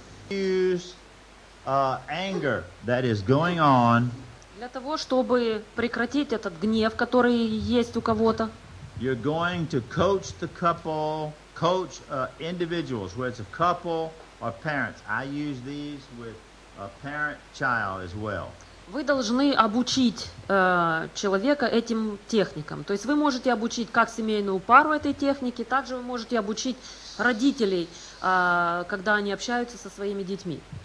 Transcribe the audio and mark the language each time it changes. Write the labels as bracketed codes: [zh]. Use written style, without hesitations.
[en] Use anger that is going on. [ru] Для того, чтобы прекратить этот гнев, который есть у кого-то. [en] You're going to coach the couple, coach individuals, whether it's a couple or parents. I use these with a parent-child as well. [ru] Вы должны обучить человека этим техникам. То есть вы можете обучить как семейную пару этой технике, также вы можете обучить родителей, когда они общаются со своими детьми.